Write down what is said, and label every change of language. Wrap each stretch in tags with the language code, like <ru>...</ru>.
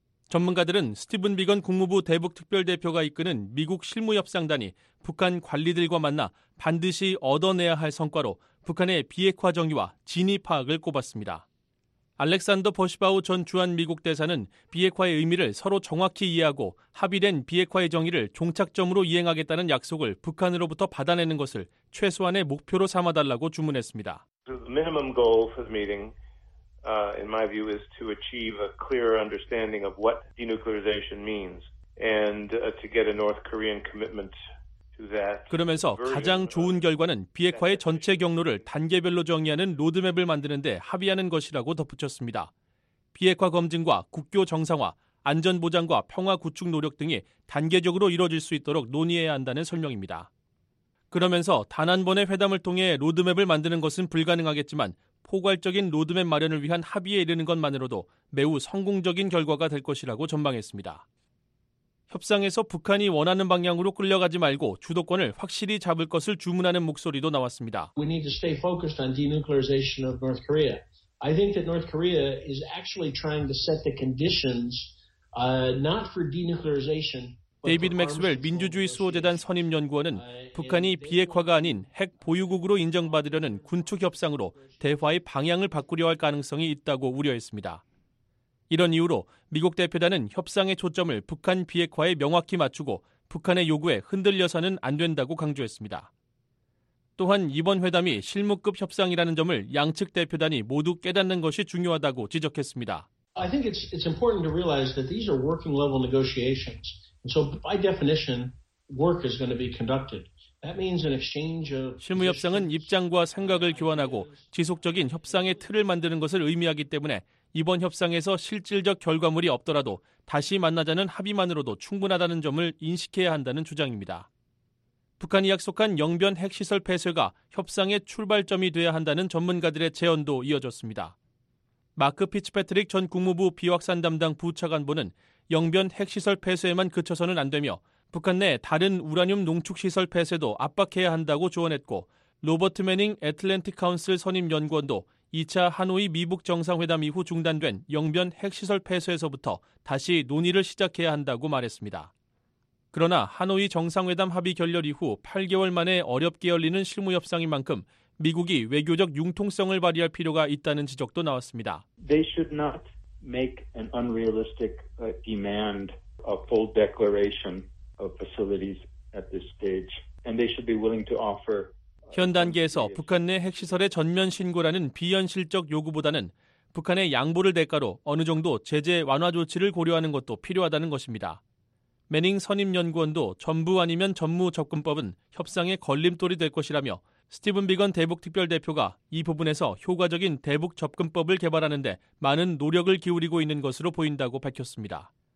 <ko>전문가들은 스티븐 비건 국무부 대북특별대표가 이끄는 미국 실무협상단이 북한 관리들과 만나 반드시 얻어내야 할 성과로 북한의 비핵화 정의와 진위 파악을 꼽았습니다. 알렉산더 버시바우 전 주한미국 대사는 비핵화의 의미를 서로 정확히 이해하고 합의된 비핵화의 정의를 종착점으로 이행하겠다는 약속을 북한으로부터 받아내는 것을 최소한의 목표로 삼아달라고 주문했습니다.</ko> <en>The minimum goal for the meeting, in my view, is to achieve a clear understanding of what denuclearization means and to get a North Korean commitment.</en> <ko>그러면서 가장 좋은 결과는 비핵화의 전체 경로를 단계별로 정의하는 로드맵을 만드는 데 합의하는 것이라고 덧붙였습니다. 비핵화 검증과 국교 정상화, 안전보장과 평화 구축 노력 등이 단계적으로 이뤄질 수 있도록 논의해야 한다는 설명입니다. 그러면서 단 한 번의 회담을 통해 로드맵을 만드는 것은 불가능하겠지만 포괄적인 로드맵 마련을 위한 합의에 이르는 것만으로도 매우 성공적인 결과가 될 것이라고 전망했습니다. 협상에서 북한이 원하는 방향으로 끌려가지 말고 주도권을 확실히 잡을 것을 주문하는 목소리도 나왔습니다.</ko> <en>I think that North Korea is actually trying to set the conditions not for denuclearization.</en> <ko>데이비드 맥스웰 민주주의 수호재단 선임연구원은 북한이 비핵화가 아닌 핵 보유국으로 인정받으려는 군축 협상으로 대화의 방향을 바꾸려 할 가능성이 있다고 우려했습니다. 이런 이유로 미국 대표단은 협상의 초점을 북한 비핵화에 명확히 맞추고 북한의 요구에 흔들려서는 안 된다고 강조했습니다. 또한 이번 회담이 실무급 협상이라는 점을 양측 대표단이 모두 깨닫는 것이 중요하다고 지적했습니다.</ko> <en>I think it's important to realize that these are working level negotiations. So by definition, work is going to be conducted. That means an exchange of</en> <ko>실무 협상은 입장과 생각을 교환하고 지속적인 협상의 틀을 만드는 것을 의미하기 때문에 이번 협상에서 실질적 결과물이 없더라도 다시 만나자는 합의만으로도 충분하다는 점을 인식해야 한다는 주장입니다. 북한이 약속한 영변 핵시설 폐쇄가 협상의 출발점이 돼야 한다는 전문가들의 제언도 이어졌습니다. 마크 피츠패트릭 전 국무부 비확산 담당 부차관보는 영변 핵시설 폐쇄에만 그쳐서는 안 되며 북한 내 다른 우라늄 농축시설 폐쇄도 압박해야 한다고 조언했고 로버트 매닝 애틀랜틱 카운슬 선임연구원도 2차 하노이 미북 정상회담 이후 중단된 영변 핵시설 폐쇄에서부터 다시 논의를 시작해야 한다고 말했습니다. 그러나 하노이 정상회담 합의 결렬 이후 8개월 만에 어렵게 열리는 실무협상인 만큼 미국이 외교적 융통성을 발휘할 필요가 있다는 지적도 나왔습니다.</ko> <en>They should not make an unrealistic demand a full declaration of facilities at this stage. And they should be willing to offer</en> <ko>현 단계에서 북한 내 핵시설의 전면 신고라는 비현실적 요구보다는 북한의 양보를 대가로 어느 정도 제재 완화 조치를 고려하는 것도 필요하다는 것입니다. 매닝 선임연구원도 전부 아니면 전무 접근법은 협상의 걸림돌이 될 것이라며 스티븐 비건 대북특별대표가 이 부분에서 효과적인 대북 접근법을 개발하는 데 많은 노력을 기울이고 있는 것으로 보인다고 밝혔습니다.</ko>